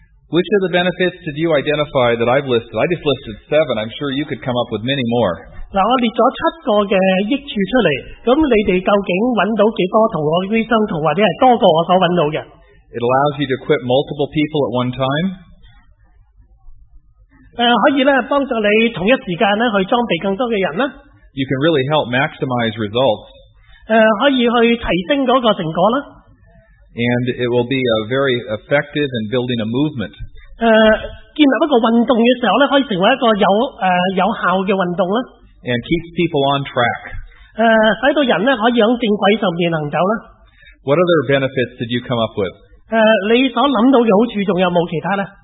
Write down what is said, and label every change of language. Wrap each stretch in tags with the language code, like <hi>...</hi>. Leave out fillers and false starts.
<en>Which of the benefits did you identify that I've listed? I just listed 7. I'm sure you could come up with many more.</en> <yue>嗱，我列咗七个嘅益处出嚟，咁你哋究竟揾到几多同我啲相同，或者系多过我所揾到嘅</yue> <en>？It allows you to equip multiple people at one time.</en> <yue>可以咧帮助你同一时间咧去装备更多嘅人啦。</yue> <en>You can really help maximize results.</en> <yue>可以去提升嗰个成果啦。</yue> <en>And it will be a very effective in building a movement.</en> <yue>建立一个运动嘅时候咧，可以成为一个有效嘅运动啦。</yue> <en>And keeps people on track.</en> <yue>使到人咧可以喺正轨上面行走啦。</yue> <en>What other benefits did you come up with?</en> <yue>你所谂到嘅好处仲有冇其他咧</yue>